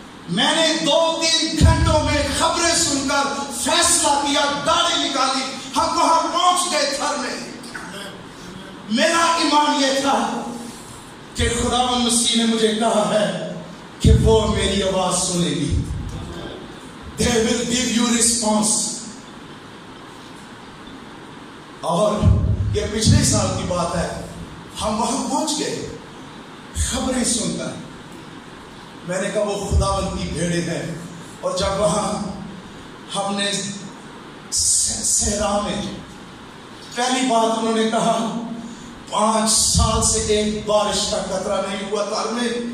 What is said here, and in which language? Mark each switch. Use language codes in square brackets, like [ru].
[ur] میں نے 2-3 گھنٹوں میں خبریں سن کر فیصلہ کیا, داڑھی نکالی, ہم وہاں پہنچ گئے تھر میں. میرا ایمان یہ تھا کہ خدا مسیح نے مجھے کہا ہے کہ وہ میری آواز سنے گی. [en] They will give you response. [ur] اور یہ پچھلے سال کی بات ہے, ہم وہاں پہنچ گئے خبریں سن کر. میں نے کہا وہ خدا ان کی بھیڑے ہیں. اور جب وہاں ہم نے صحرا میں پہلی بات انہوں نے کہا 5 سال سے ایک بارش کا قطرہ نہیں ہوا تھر میں.